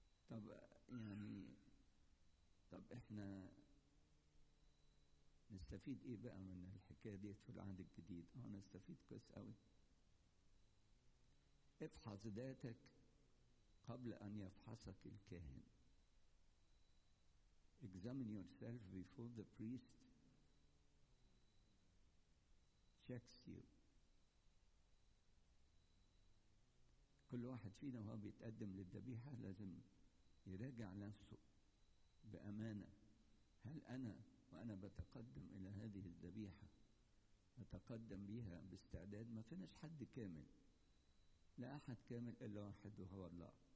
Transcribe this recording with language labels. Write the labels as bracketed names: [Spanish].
[Arabic] طب يعني طب إحنا نستفيد إيه بقى من الحكاية دي في العهد الجديد؟ أنا استفيد كويس قوي. افحص ذاتك قبل أن يفحصك الكاهن. [English] Examine yourself before the priest checks you. [Arabic] كل واحد فينا وهو بيتقدم للذبيحة لازم يراجع نفسه بأمانة. هل أنا وأنا بتقدم إلى هذه الذبيحة أتقدم بها باستعداد؟ ما فيناش حد كامل، لا أحد كامل إلا واحد وهو الله.